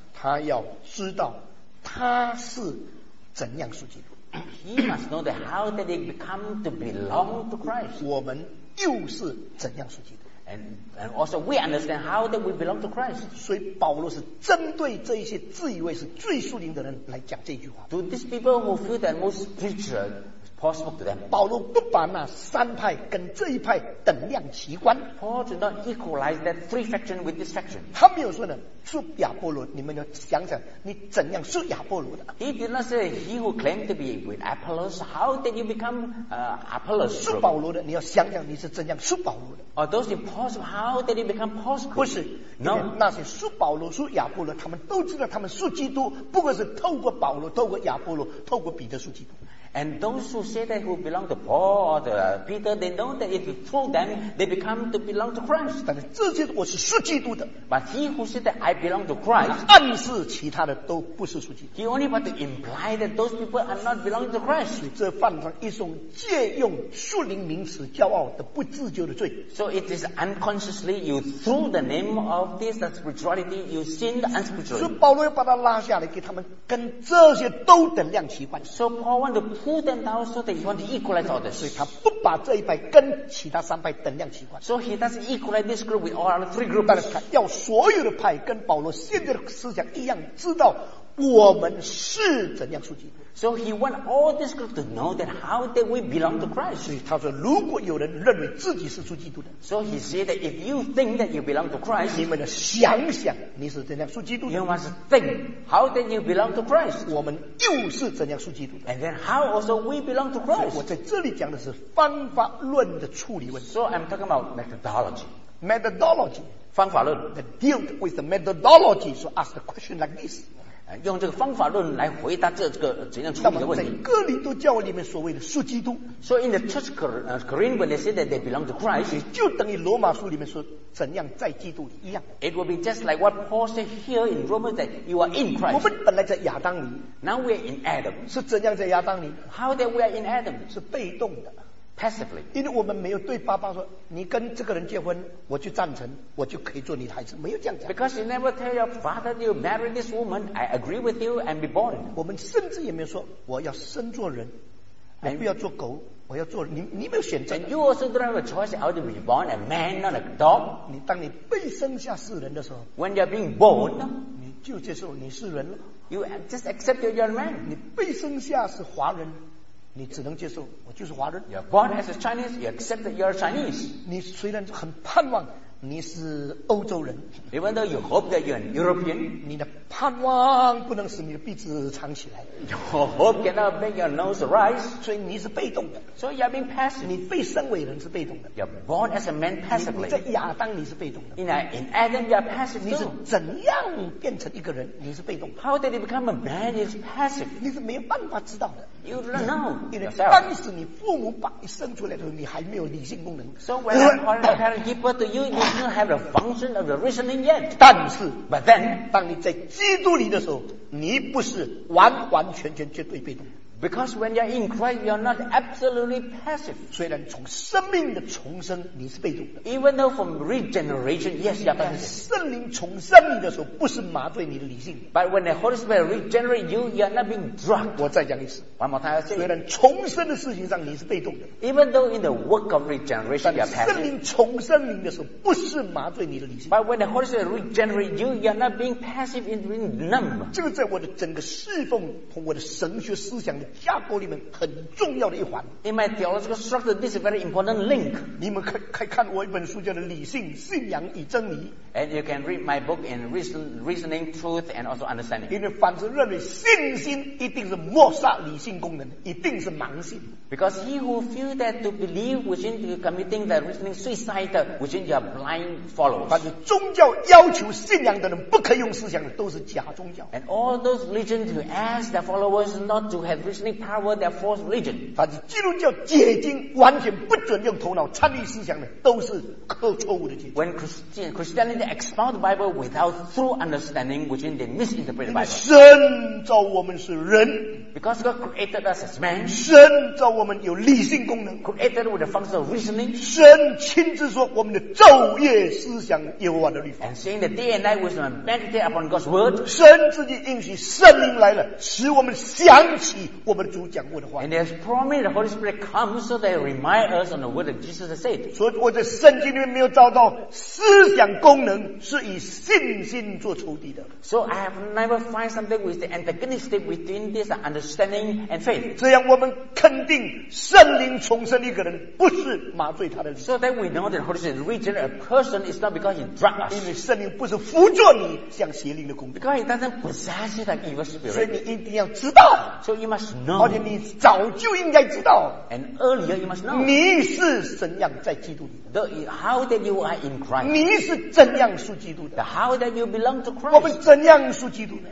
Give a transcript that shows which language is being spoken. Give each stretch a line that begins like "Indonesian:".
Chinese: 他要知道他是怎样属基督。
English: He must know that how did they become to belong to Christ.
Chinese: 我们又是怎样属基督。
English: And also we understand how that we belong to Christ.
Chinese: 所以保罗是针对这一些自以为是最属灵的人来讲这句话。
English: To these people who feel that most spiritual possible to them.
Chinese: 保罗不把那三派跟这一派等量齐观。
English: Paul did not equalize that three faction with this faction.
Chinese: 他没有说呢，属亚波罗，你们要想想你怎样属亚波罗的。
English: He did not say he who claimed to be with Apollos, how did you become Apollos?
Chinese: 属保罗的，你要想想你是怎样属保罗的。
English: Are those impossible? How did you become possible?
Chinese: 不是，
English: no.
Chinese: 那些属保罗、属亚波罗，他们都知道他们属基督，不过是透过保罗、透过亚波罗、透过彼得属基督。
English: And those who say that who belong to Paul or to Peter, they know that if you throw them, they become to belong to Christ.
Chinese: 但是这些我是属基督的。
English: But he who said that I belong to Christ,
Chinese: 暗示其他的都不是属基督。
English: He only want to imply that those people are not belong to Christ.
Chinese: 所以这犯了一种借用属灵名词骄傲的不自救的罪。
English: So it is unconsciously you threw the name of this spirituality, you sinned unspiritually.
Chinese: 所以保罗要把它拉下来，给他们跟这些都等量齐观。
English: So Paul want to pull them down so that he want to equalize all this.
Chinese: 所以他不把这一派跟其他三派等量齐观。
English: So he doesn't equalize this group with all other three groups.
Chinese: 但是他要所有的派跟保罗现在的思想一样，知道我们是怎样属基督。
English: So he want all this group to know that how that we belong to Christ.
Chinese: 所以他说，如果有人认为自己是属基督的
English: ，So he said that if you think that you belong to Christ,
Chinese: 你们的想想你是怎样属基督的
English: ？You must think how that you belong to Christ.
Chinese: 我们又是怎样属基督的
English: ？And then how also we belong to Christ.
Chinese: 我在这里讲的是方法论的处理问题。
English: So I'm talking about methodology. Methodology.
Chinese: 方法论
English: that deal with the methodology. So ask the question like this.
Chinese: 用这个方法论来回答这个怎样处理的问题。那么在哥林多教会里面所谓的属基督
English: ，So in the church Corinth when they say that they belong to Christ，
Chinese: 就等于罗马书里面说怎样在基督里一样。
English: It will be just like what Paul said here in Romans that you are in Christ。
Chinese: 我们本来在亚当里
English: ，Now we are in Adam。
Chinese: 是怎样在亚当里
English: ？How that we are in Adam？
Chinese: 是被动的
English: ，passively。
Chinese: 因为我们没有对爸爸说你跟这个人结婚，我就赞成。我就可以做你的孩子，没有这样讲。
English: Because you never tell your father you marry this woman, I agree with you and be born.
Chinese: 我们甚至也没有说我要生做人，我不要做狗，我要做人。你没有选择。
English: And you also don't have a choice. I want to be born a man, not a dog.
Chinese: 你当你被生下世人的时候
English: ，When you're being born,
Chinese: 你就接受你是人了。
English: You just accept you're a man.
Chinese: 你被生下是华人。你只能接受我就是华人。
English: You're born as a Chinese, you accept that you're Chinese.
Chinese: 你虽然很盼望你是欧洲人
English: ，Even though you hope that you're an European,
Chinese: 你的盼望不能使你的鼻子长起来。
English: Your hope cannot make your nose rise.
Chinese: 所以你是被动的。
English: So you're being passive.
Chinese: 你被生为人是被动的。
English: You're born as a man passively.
Chinese: 你在亚当你是被动的。
English: In Adam you're passive too.
Chinese: 你是怎样变成一个人？你是被动的。
English: How did you become a man? Is passive.
Chinese: 你是没有办法知道的。
English: You don't know.
Chinese: 因为当时你父母把你生出来的时候，你还没有理性功能。
English: So when your parents give birth to you, you don't have the function of the reasoning yet.
Chinese: 但是
English: ，But then，
Chinese: 当你在基督里的时候，你不是完完全全绝对被动。
English: Because when you're in Christ, you're not absolutely passive.
Chinese: 虽然从生命的重生，你是被动的。
English: Even though from regeneration, yes, you're passive.
Chinese: 圣灵重生你的时候，不是麻醉你的理性。
English: But when the Holy Spirit regenerates you, you're not being drugged.
Chinese: 我再讲一次。
English: One more time.
Chinese: 虽然重生的事情上你是被动的。
English: Even though in the work of regeneration, you're passive.
Chinese: 圣灵重生你的时候，不是麻醉你的理性。
English: But when the Holy Spirit regenerates you, you're not being passive in being numb.
Chinese: 这个在我的整个侍奉和我的神学思想的架构里面很重要的一环。
English: In my theological structure, this is a very important link.
Chinese: 你们可以看我一本书叫做《理性信仰与真理》。
English: And you can read my book in reasoning, truth, and also understanding.
Chinese: 因为凡是认为信心一定是抹杀理性功能，一定是盲信。
English: Because he who feels that to believe within you committing the reasoning suicide within your blind followers.
Chinese: 凡是宗教要求信仰的人不可以用思想的，都是假宗教。
English: And all those religions who ask their followers not to have reasoning power, they're false religion.
Chinese: 凡是基督教解经完全不准用头脑参与思想的，都是刻错误的解经。
English: When Christianity expounds the Bible without true understanding, which means they misinterpret the Bible.
Chinese: 神造我们是人。
English: Because God created us as man.
Chinese: 神造我们有理性功能。
English: Created with the function of reasoning.
Chinese: 神亲自说我们的昼夜思想耶和华的律法。
English: And saying that day and night we should meditate upon God's word.
Chinese: 神自己应许圣灵来了，使我们想起我们主讲过的话。
English: And there's promise the Holy Spirit comes so they remind us on the word that Jesus has said.
Chinese: 所以我在圣经里面没有找到思想功能是以信心做仇敌的。
English: So I have never find something with the antagonistic within this understanding and faith.
Chinese: 这样我们肯定圣灵重生一个人不是麻醉他的。
English: So that we know that Holy Spirit regenerate a person is not because he drugs us.
Chinese: 因为圣灵不是辅助你像邪灵的功能。
English: Because he doesn't possess it like evil spirit.
Chinese: 所以你一定要知道。
English: So you must must know.
Chinese: 而且你早就应该知道。
English: And earlier you must know.
Chinese: 你是怎样在基督里的。
English: The, how that you are in Christ.
Chinese: 你是怎样属基督的。
English: The, how that you belong to Christ.
Chinese: 我们怎样属基督的。